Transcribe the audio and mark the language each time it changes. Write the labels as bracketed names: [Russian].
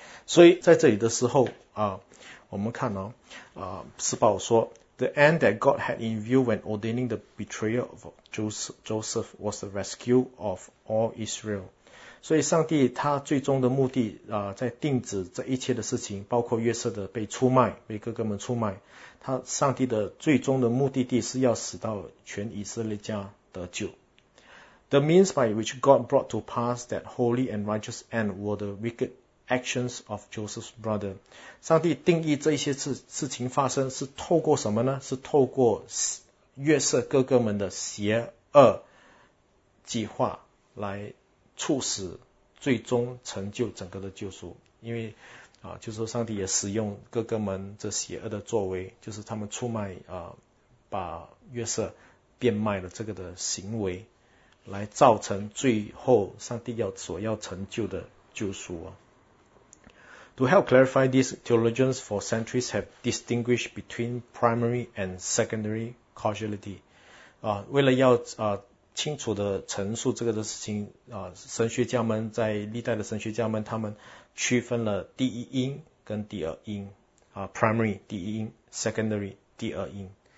[Chinese] 所以在这里的时候我们看司保说 [English] ，The end that God had in view when ordaining the betrayal of Joseph was the rescue of all Israel。 [Chinese] 所以上帝他最终的目的在定旨这一切的事情，包括约瑟的被出卖，被哥哥们出卖，他上帝的最终的目的地是要使到全以色列家得救。 [English] The means by which God brought to pass that holy and righteous end were the wicked actions of Joseph's brother。 [Chinese] 上帝定义这一些事情发生是透过什么呢？是透过约瑟哥哥们的邪恶计划来促使最终成就整个的救赎，因为就是说上帝也使用哥哥们这邪恶的作为，就是他们出卖把约瑟变卖了这个的行为，来造成最后上帝所要成就的救赎。 [English] To help clarify this, theologians for centuries have distinguished between primary and secondary causality。 [Chinese] 为了要清楚的陈述这个的事情神学家们在历代的神学家们，他们区分了第一因跟第二因primary 第一因 ，secondary 第二因。